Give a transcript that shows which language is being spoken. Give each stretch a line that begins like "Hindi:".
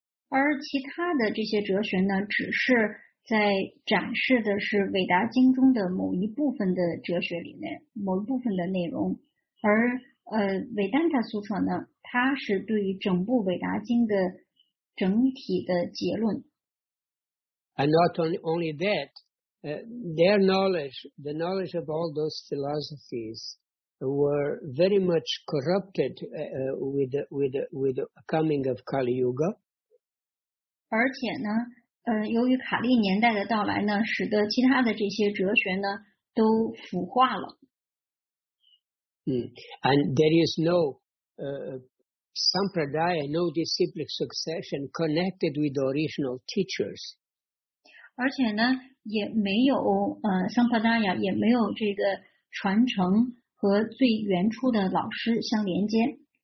Chinese: 而其他的这些哲学呢，只是在展示的是《韦达经》中的某一部分的哲学里面某一部分的内容，而Vedanta Sutra 呢，它是对于整部《韦达经》的整体的结论。
English: And not only that, their knowledge, the knowledge of all those philosophies, were very much corrupted with the coming of Kali Yuga.
Chinese: 而且呢，由于卡利年代的到来呢，使得其他的这些哲学呢都腐化了。
English: And there is no sampradaya, no disciplic succession connected with the original teachers.
Chinese: 而且呢，也没有sampradaya, 也没有这个传承和最原初的老师相连接。